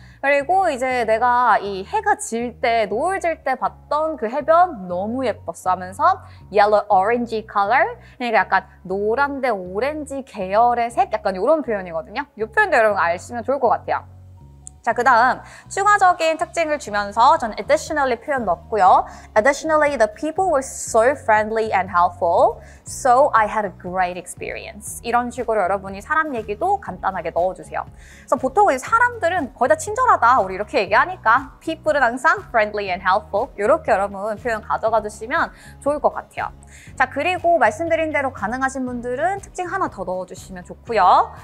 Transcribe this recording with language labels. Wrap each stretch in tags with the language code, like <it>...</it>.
<ko>그리고 이제 내가 이 해가 질 때, 노을 질 때 봤던 그 해변 너무 예뻤어 하면서</ko> <en>yellow orangey color</en> <ko>그러니까 약간 노란데 오렌지 계열의 색 약간 이런 표현이거든요. 이 표현도 여러분 아시면 좋을 것 같아요. 자, 그 다음 추가적인 특징을 주면서 저는 additionally 표현 넣었고요.</ko> <en>Additionally, the people were so friendly and helpful, so I had a great experience.</en> <ko>이런 식으로 여러분이 사람 얘기도 간단하게 넣어주세요. 그래서 보통 사람들은 거의 다 친절하다, 우리 이렇게 얘기하니까 people은 항상</ko> <en>friendly and helpful,</en> <ko>이렇게 여러분 표현 가져가 주시면 좋을 것 같아요. 자, 그리고 말씀드린 대로 가능하신 분들은 특징 하나 더 넣어주시면 좋고요.</ko>